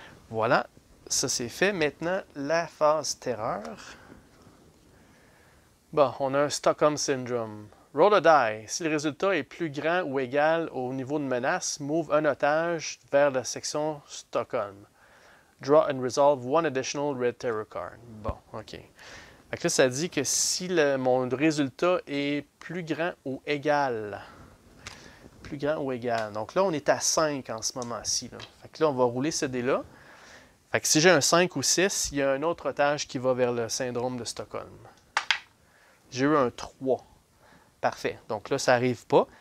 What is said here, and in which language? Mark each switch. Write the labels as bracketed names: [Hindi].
[French] Voilà. Ça, c'est fait. Maintenant, la phase terreur. Bon, on a un Stockholm Syndrome. [English] Roll a die. [French] Si le résultat est plus grand ou égal au niveau de menace, move un otage vers la section Stockholm. [English] Draw and resolve one additional red terror card. [French] Bon, OK. Fait que là, ça dit que si mon résultat est plus grand ou égal. Plus grand ou égal. Donc là, on est à 5 en ce moment-ci. Fait que là, on va rouler ce dé-là. Fait que si j'ai un 5 ou 6, il y a un autre otage qui va vers le syndrome de Stockholm. J'ai eu un 3. Parfait. Donc là, ça n'arrive pas.